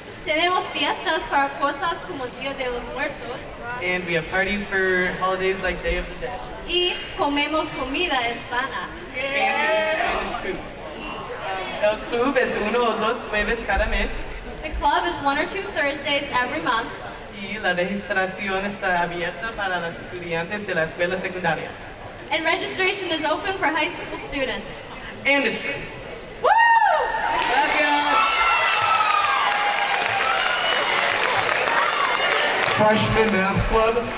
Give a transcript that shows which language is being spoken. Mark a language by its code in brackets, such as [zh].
[es] Tenemos fiestas para cosas como Día de los Muertos. [en] And we have parties for holidays like Day of the Dead. [es] Y comemos comida hispana. [en] Yeah. And Spanish food. [es] El club es uno o dos jueves cada mes. [en] The club is one or two Thursdays every month. [es] Y la registración está abierta para los estudiantes de la escuela secundaria. [en] And registration is open for high school students. And it's free. Freshman Math Club.